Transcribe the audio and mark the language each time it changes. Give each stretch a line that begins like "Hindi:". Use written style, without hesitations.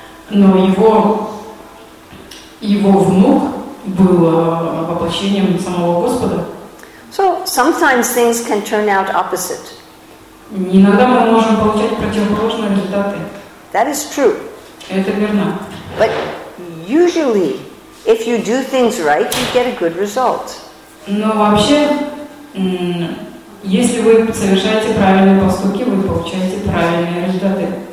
Russian: Но его внук был воплощением самого Господа.
English: So sometimes things can turn out opposite.
Russian: Иногда мы можем получать противоположные результаты.
English: That is true.
Russian: Это верно.
English: But usually, if you do things right, you get a good result.
Russian: Но вообще, если вы совершаете правильные поступки, вы получаете правильные результаты.